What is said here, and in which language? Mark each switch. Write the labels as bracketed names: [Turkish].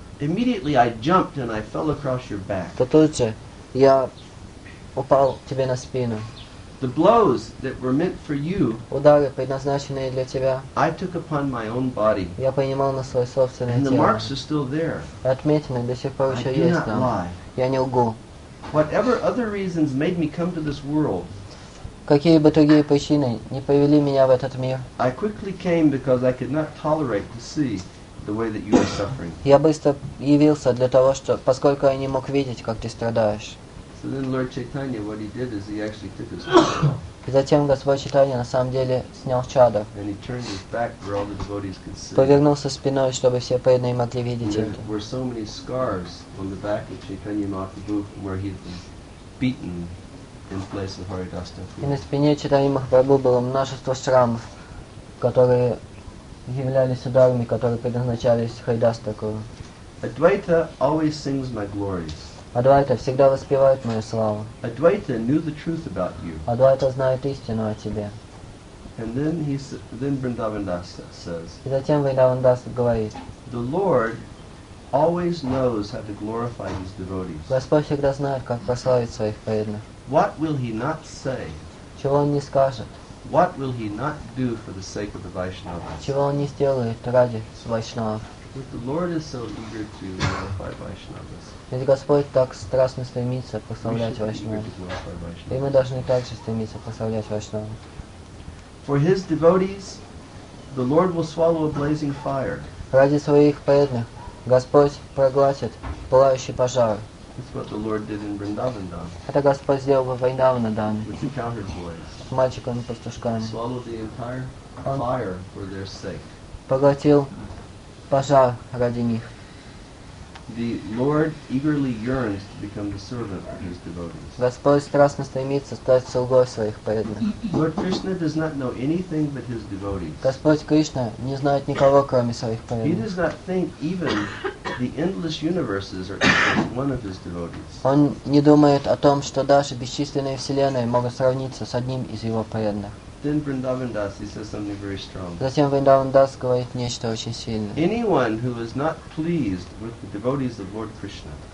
[English] immediately I jumped and I fell across your back. [Russian] То тут же я упал тебе на спину. [English] The blows that were meant for you, [Russian] удары, предназначенные для тебя, [English] I took upon my own body. [Russian] Я принимал на свое собственное тело. [English] And the marks are still there. [Russian] Отметины до сих пор еще есть там. [English] I do not lie. [Russian] Я не лгу. [English] Whatever other reasons made me come to this world, [Russian] какие бы другие причины не повели меня в этот мир, [English] I quickly came because I could not tolerate to see the way that you are suffering. [Russian] Я быстро явился для того, что, поскольку я не мог видеть, как ты страдаешь. [English] So then Lord Chaitanya, what he did is he actually took his chadar. [Russian] И затем Господь Чайтанья на самом деле снял чадар. [English] And he turned his back where all the devotees could see. [Russian] Повернулся спиной, чтобы все преданные могли видеть это. [English] There were so many scars on the back of Chaitanya Mahaprabhu from where he had been beaten in place of Haridas Thakura. [Russian] И на спине Чайтанья Махапрабху было множество шрамов, которые являлись ударами, которые предназначались Haridas Thakura. [English] Advaita always sings my glories. [Russian] Адвайта всегда воспевает мою славу. [English] Advaita knew the truth about you. [Russian] Адвайта знает истину о тебе. [English] And then Vrindavan Das says. [Russian] И затем Vrindavan Das говорит. [English] The Lord always knows how to glorify his devotees. [Russian] Господь всегда знает, как прославить своих преданных. [English] What will he not say? [Russian] Чего он не скажет? [English] What will he not do for the sake of the Vaishnava? [Russian] Чего он не сделает ради Вайшнава? [English] If the Lord is so eager to glorify Vaishnavas. [Russian] Ведь Господь так страстно стремится прославлять Вайшнава. И мы должны также стремиться прославлять Вайшнава. [English] For his devotees, the Lord will swallow a blazing fire. [Russian] Ради своих преданных Господь проглотит пылающий пожар. [English] That's what the Lord did in Vrindavan Dham. [Russian] Это Господь сделал во Вриндавана Дхаме. [English] With the cowherd boys. [Russian] С мальчиками-пастушками. [English] Swallowed the entire fire for their sake. [Russian] Поглотил пожар ради них. [English] The Lord eagerly yearns to become the servant of his devotees. [Russian] Господь страстно стремится стать слугой своих преданных. [English] Lord Krishna does not know anything but his devotees. [Russian] Господь Кришна не знает никого, кроме своих преданных. [English] He does not think even the endless universes are equal to one of his devotees. [Russian] Он не думает о том, что даже бесчисленные вселенные могут сравниться с одним из его преданных. [English] Then Vrindavan Das, he says something very strong. [Russian] Затем Vrindavan Das говорит нечто очень сильное. [English] Anyone who is not pleased with the devotees of Lord Krishna.